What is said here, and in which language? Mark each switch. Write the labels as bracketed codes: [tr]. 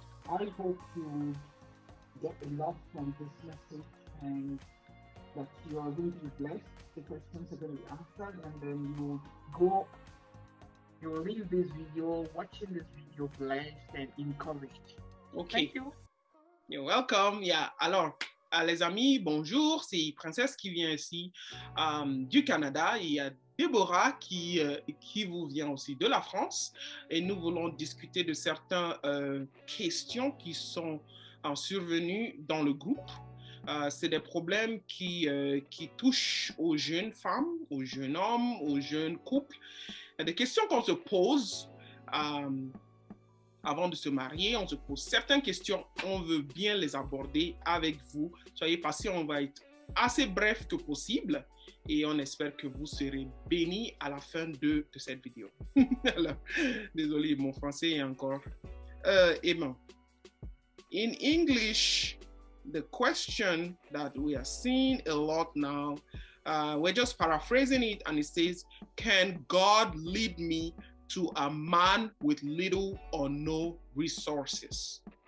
[en] I hope you get a lot from this message and that you are going to be blessed. The questions are going to be answered, and then you'll leave this video, watching this video, blessed and encouraged. Okay. Thank you. You're welcome. Yeah. Alors. [fr] Les amis, bonjour, c'est Princesse qui vient ici du Canada. Il y a Deborah qui vous vient aussi de la France. Et nous voulons discuter de certaines questions qui sont survenues dans le groupe. C'est des problèmes qui touchent aux jeunes femmes, aux jeunes hommes, aux jeunes couples. Il y a des questions qu'on se pose avant de se marier, on se pose certaines questions, on veut bien les aborder avec vous. Soyez patients, on va être assez bref que possible et on espère que vous serez bénis à la fin de cette vidéo. Alors, désolé, mon français est encore aimant. [en] In English, the question that we are seeing a lot now, we're just paraphrasing it, and it says, can God lead me to a man with little or no resources?